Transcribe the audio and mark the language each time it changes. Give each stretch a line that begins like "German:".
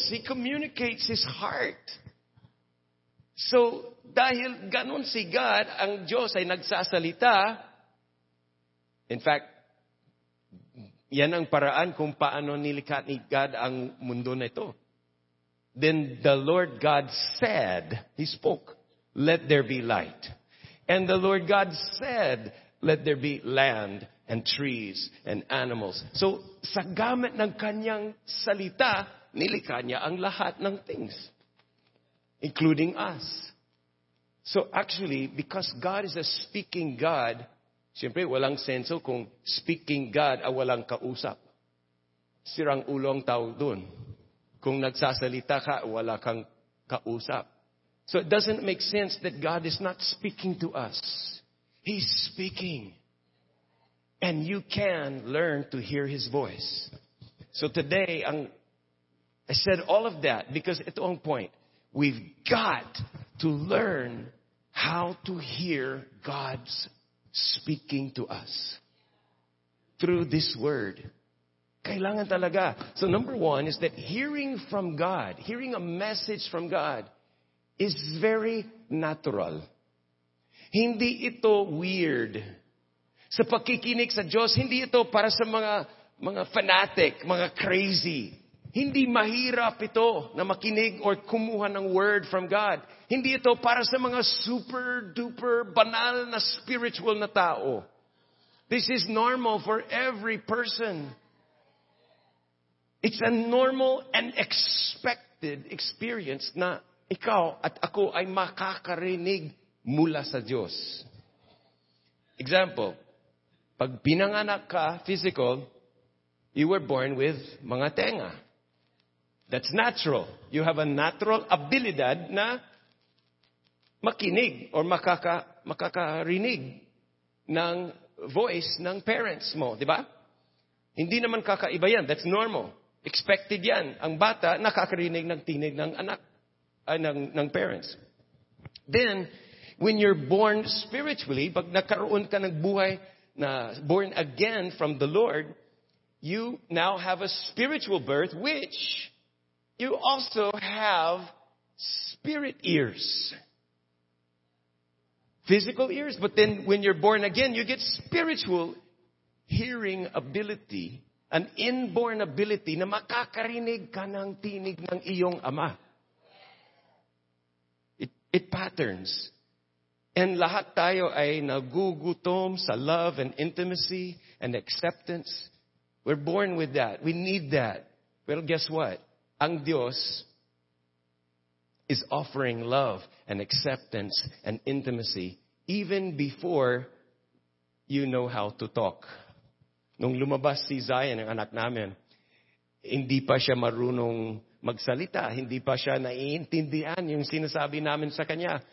English: He communicates His heart.
Filipino: So, dahil ganun si God, ang Diyos ay nagsasalita. In fact, yan ang paraan kung paano nilikat ni God ang mundo na ito.
English: Then the Lord God said, He spoke, let there be light. And the Lord God said, let there be land and trees and animals.
Filipino: So, sa gamit ng kanyang salita, nilikha niya ang lahat ng things.
English: Including us. So actually, because God is a speaking God,
Filipino: siyempre walang senso kung speaking God ay walang kausap. Sirang ulong tao dun. Kung nagsasalita ka, wala kang kausap.
English: So it doesn't make sense that God is not speaking to us. He's speaking. And you can learn to hear His voice. So today, I said all of that because
Filipino: ito ang point.
English: We've got to learn how to hear God's speaking to us through this word.
Filipino: Kailangan talaga.
English: So number one is that hearing from God, hearing a message from God is very natural.
Filipino: Hindi ito weird. Sa pakikinig sa Diyos, hindi ito para sa mga fanatic, mga crazy. Hindi mahirap ito na makinig or kumuha ng word from God. Hindi ito para sa mga super duper banal na spiritual na tao.
English: This is normal for every person. It's a normal and expected experience
Filipino: na ikaw at ako ay makakarinig mula sa Diyos.
English: Example,
Filipino: pag pinanganak ka,
English: physical, you were born with mga tenga. That's natural. You have a natural abilidad
Filipino: na makinig or makakarinig ng voice ng parents mo, di ba? Hindi naman kakaiba yan.
English: That's normal.
Filipino: Expected yan. Ang bata, nakakarinig ng tinig ng anak, ng parents.
English: Then, when you're born spiritually,
Filipino: pag nagkaroon ka ng buhay na born again
English: from the Lord, you now have a spiritual birth, which you also have spirit ears. Physical ears, but then when you're born again, you get spiritual hearing ability. An inborn ability
Filipino: na makakarinig ka ng tinig ng iyong ama. It patterns. And lahat tayo ay nagugutom sa love and intimacy and acceptance.
English: We're born with that. We need that. Well, guess what? Ang Diyos is offering love and acceptance and intimacy even before you know how to talk.
Filipino: Nung lumabas si Zion, ang anak namin, hindi pa siya marunong magsalita. Hindi pa siya naiintindihan yung sinasabi namin sa kanya.